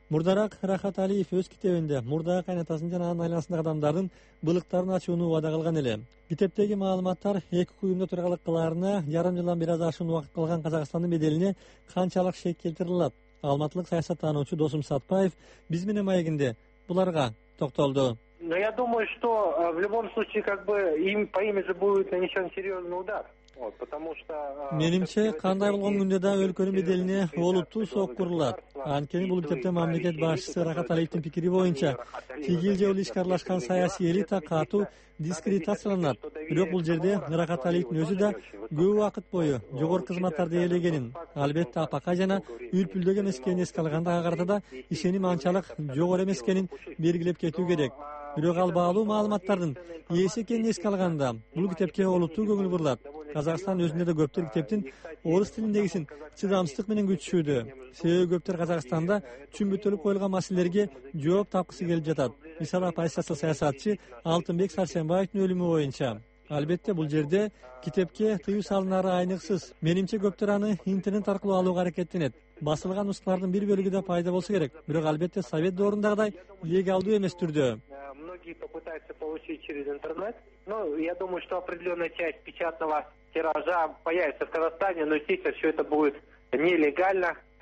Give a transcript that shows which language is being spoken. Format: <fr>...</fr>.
<ky>Мурдараак Рахат Алиев өз китебинде мурдагы кайнатасын жана анын айланасындагы адамдардын былыктарын ачууну убада кылган эле. Китептеги маалыматтар эки куюмда тургалык кылаарына, жарым жылдан бир аз ашуун убакыт калган Казакстандын беделине канчалык шек келтире алат? Алматылык саясаттануучу Досум Сатпаев биз менен маегинде буларга токтолду.</ky> <ru>Но я думаю, что в любом случае как бы им по имиджу будет нанесен серьезный удар.</ru> <ky>Менимче кандай болгон күндө да өлкөнүн беделине олуттуу соккур урулат. Анткени бул китепте мамлекет башчысы Рахат Алиевдин пикири боюнча чигил же ишкарлашкан саясий элита катуу дискредитацияланат. Бирок бул жерде Рахат Алиевдин өзү да көп убакыт бою жогорку кызматтарды ээлегенин, албетте апака жана үрпүлдөк эмес экенин эске алганда ага карата да ишеним анчалык жогору эмес экенин белгилеп кетүү керек. Бирок ал баалуу маалыматтардын ээси экенин эске алганда бул китепке олуттуу көңүл бурулат. Казакстан өзүндө да көптөр китептин орус тилиндегисин чыдамсыздык менен күтүшүүдө. Себеби көптөр Казакстанда түшүнбөтөлүп коюлган маселелерге жооп тапкысы келип жатат. Мисалы, оппозициячы саясатчы Алтынбек Сарсенбаевдин өлүмү боюнча. Албетте бул жерде китепке тыюу салынары айныксыз. Менимче көптөр аны интернет аркылуу алууга аракеттенет. Басылган нускалардын бир бөлүгү да пайда болсо керек. Бирок албетте совет доорундагыдай легалдуу эмес түрдө.</ky> <ru>Многие попытаются получить через интернет. Но я думаю, что определенная часть печатного тиража появится в Казахстане, но естественно, все это будет нелегально.</ru>